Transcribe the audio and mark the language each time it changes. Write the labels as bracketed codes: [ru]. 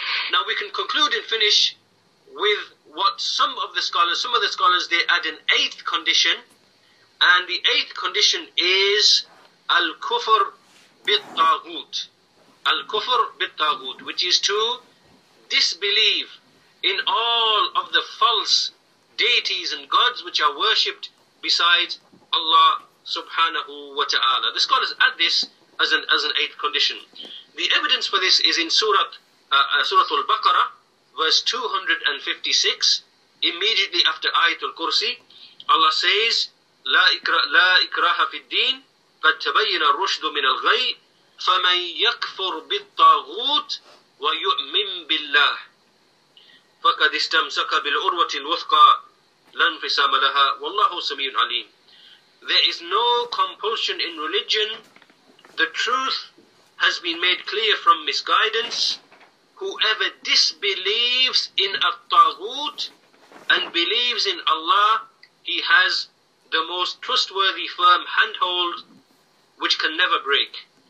[en] Now we can conclude and finish with what some of the scholars, they add an eighth condition, and the eighth condition is al-kufr bit-taghut. Al-kufr bit-taghut, which is to disbelieve in all of the false deities and gods which are worshipped besides Allah subhanahu wa ta'ala. The scholars add this as an eighth condition. The evidence for this is in Surah Al-Baqarah, verse 256, immediately after Ayatul Kursi, Allah says, [ar] لا إكراه في الدين قد تبين الرشد من الغي فمن يكفر بالطاغوت ويؤمن بالله فقد استمسك بالعروة الوثقى لا انفصام لها والله سميع عليم. [en] There is no compulsion in religion. The truth has been made clear from misguidance. Whoever disbelieves in a taghut and believes in Allah, he has the most trustworthy firm handhold which can never break.